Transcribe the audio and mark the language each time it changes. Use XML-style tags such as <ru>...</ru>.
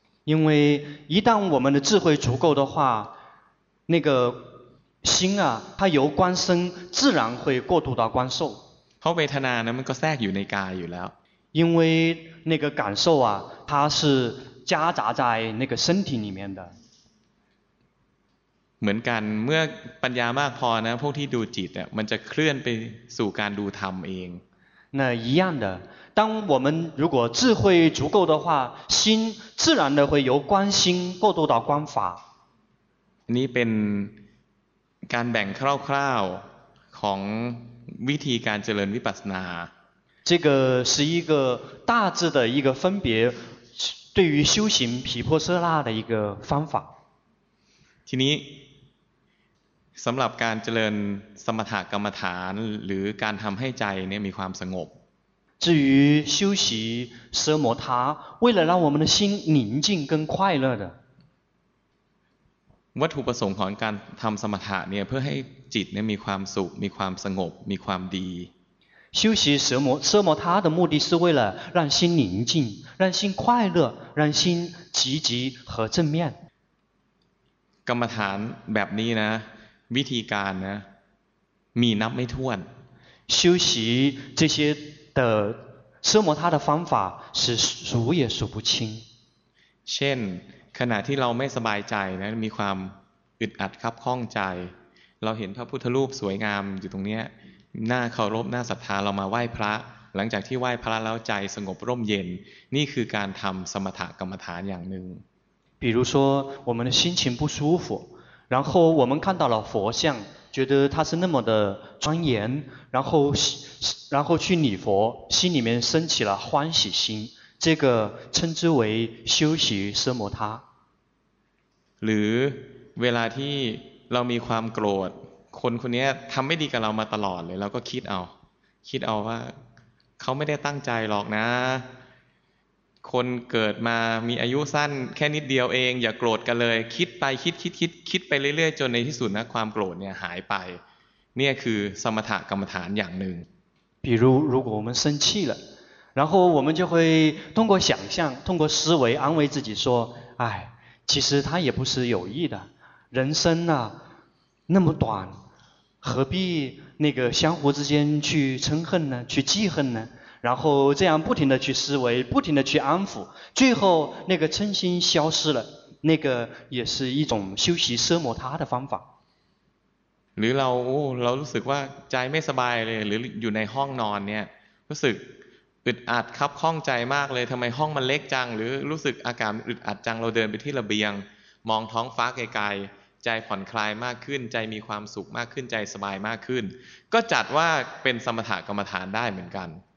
<zh>因为一旦我们的智慧足够的话那个心啊它由观身自然会过渡到观受</zh> <th>เพราะเวทนานะมันก็แทรกอยู่ในกายอยู่แล้ว</th> <zh>因为那个感受啊它是夹杂在那个身体里面的</zh> <th>เหมือนกันเมื่อปัญญามากพอนะพวกที่ดูจิตเนี่ยมันจะเคลื่อนไปสู่การดูธรรมเอง</th> <zh>那一样的当我们如果智慧足够的话心自然的会由观心过渡到观法</zh> <th>นี่เป็นการแบ่งคร่าวๆของวิธีการเจริญวิปัสสนา</th> <zh>这个是一个大致的一个分别对于修行毗婆舍那的一个方法</zh> <th>ทีนี้ สำหรับการเจริญสมถกรรมฐานหรือการทำให้ใจเนี่ยมีความสงบ</th> <zh>至于修习奢摩他为了让我们的心宁静跟快乐的</zh> <th>วัตถุประสงค์ของการทำสมถะเนี่ยเพื่อให้จิตเนี่ยมีความสุขมีความสงบมีความดี</th> <zh>修习奢摩他的目的是为了让心宁静让心快乐让心积极和正面</zh> <th>กรรมฐานแบบนี้นะวิธีการนะมีนับไม่ถ้วน</th> <zh>修习这些的奢摩他的方法是数也数不清</zh> <th>เช่นขณะที่เราไม่สบายใจนะมีความอึดอัดคับข้องใจเราเห็นพระพุทธรูปสวยงามอยู่ตรงเนี้ยน่าเคารพน่าศรัทธาเรามาไหว้พระหลังจากที่ไหว้พระแล้วใจสงบร่มเย็นนี่คือการทำสมถกรรมฐานอย่างหนึ่ง</th> <zh>比如说我们的心情不舒服然后我们看到了佛像觉得他是那么的庄严然后去礼佛心里面升起了欢喜心这个称之为修习奢摩他</zh> <th>หรือเวลาที่เรามีความโกรธคนคนนี้ทำไม่ดีกับเรามาตลอดเลยเราก็คิดเอาว่าเขาไม่ได้ตั้งใจหรอกนะคนเกิดมามีอายุสั้นแค่นิดเดียวเองอย่าโกรธกันเลยคิดไปคิดไปเรื่อยๆจนในที่สุดนะความโกรธเนี่ยหายไปเนี่ยคือสมถกรรมฐานอย่างหนึ่ง</th> <zh>比如如果我们生气了然后我们就会通过想象通过思维安慰自己说哎其实他也不是有意的人生啊那么短何必那个相互之间去嗔恨呢去记恨呢然后这样不停地去思维不停地去安抚最后那个嗔心消失了那个也是一种修习奢摩他的方法</zh> <th>หรือเรารู้สึกว่าใจไม่สบายเลยหรืออยู่ในห้องนอนเนี่ยรู้สึกอึดอัดคับข้องใจมากเลยทำไมห้องมันเล็กจังหรือรู้สึกอากาศอึดอัดจังเราเดินไปที่ระเบียงมองท้องฟ้าไกลๆใจผ่อนคลายมากขึ้นใจมีความสุขมากขึ้นใจสบายมากขึ้นก็จัดว่าเป็นสมถกรรมฐานได้เหมือนกัน</th>